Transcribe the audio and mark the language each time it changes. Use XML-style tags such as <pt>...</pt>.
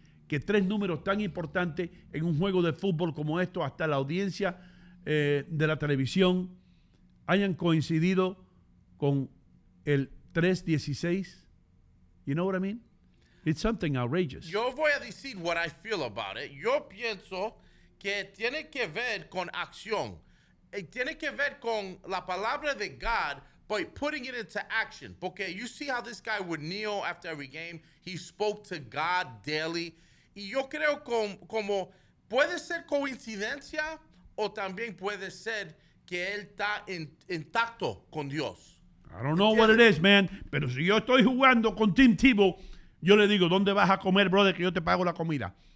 <es>Que tres números tan importantes en un juego de fútbol como esto, hasta la audiencia de la televisión, hayan coincidido con el 3:16.</es> <en>You know what I mean? It's something outrageous.</en> <es>Yo voy a decir</es> <en>what I feel about it.</en> <es>Yo pienso que tiene que ver con acción. It tiene que ver con la palabra de God,</es> <en>but putting it into action. Porque you see how this guy would kneel after every game. He spoke to God daily.</en> <es>Y yo creo como puede ser coincidencia o también puede ser que él está intacto con Dios.</es> <en>I don't know what it is, man.</en> <es>Pero si yo estoy jugando con Tim Tebow, yo le digo, ¿dónde vas a comer, brother, que yo te pago la comida?</es>